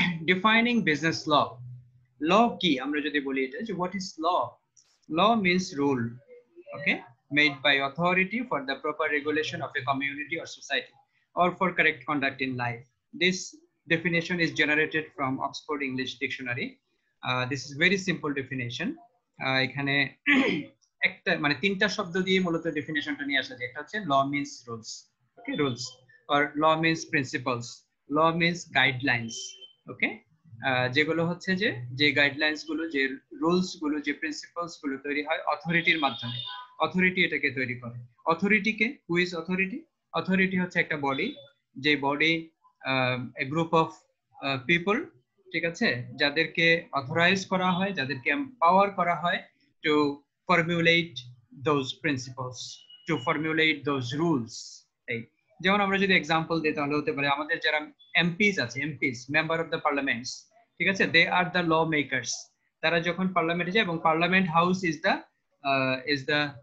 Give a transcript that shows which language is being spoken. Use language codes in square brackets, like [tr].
[en] defining business law law [bn] কি আমরা যদি বলি এটা যে [en] what is law law means rule okay made by authority for the proper regulation of a community or society or for correct conduct in life This definition is generated from Oxford English Dictionary. This is very simple definition. [bn] এখানে একটা মানে তিনটা শব্দ দিয়ে মূলত ডেফিনিশনটা নিয়ে আসা যায়। এটা হচ্ছে [en] law means rules, okay, rules, or law means principles, law means guidelines, okay? [bn] যেগুলো হচ্ছে যে যে guidelines গুলো, যে rules গুলো, যে principles গুলো তৈরি হয় authority-র মাধ্যমে। [en] Authority [bn] এটাকে তৈরি করে। [en] Authority কে? Who is authority? [bn] Authority হচ্ছে একটা body, যে body [en] a group of people [bn] ঠিক আছে যাদেরকে অথরাইজ করা হয় যাদেরকে এম্পাওয়ার করা হয় [en] to formulate those principles to formulate those rules [bn] এই যেমন আমরা যদি एग्जांपल দিই তাহলে হতে পারে আমাদের যারা এমপিস আছে MPs member of the parliaments ঠিক আছে [en] they are the lawmakers [bn] তারা যখন পার্লামেন্টে যায় এবং পার্লামেন্ট হাউস ইজ দা